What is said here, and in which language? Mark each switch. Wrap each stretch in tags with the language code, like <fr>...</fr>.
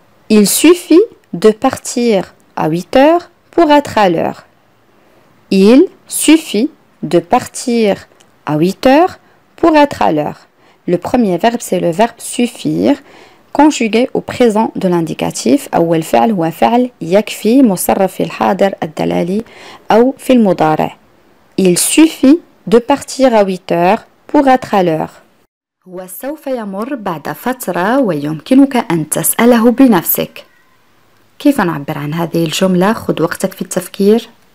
<fr>Il suffit de partir à 8 heures pour être à l'heure. Il suffit de partir à 8 heures pour être à l'heure. Le premier verbe, c'est le verbe suffire, conjugué au présent de l'indicatif.</fr> <ar>أول فعل هو فعل يكفي مصرف في الحاضر الدلالي أو في المضارع.</ar> <fr>Il suffit de partir à 8 heures pour être à l'heure.</fr> <ar>وسوف يمر بعد فترة ويمكنك أن تسأله بنفسك. كيف نعبر عن هذه الجملة؟ خذ وقتك في التفكير.</ar>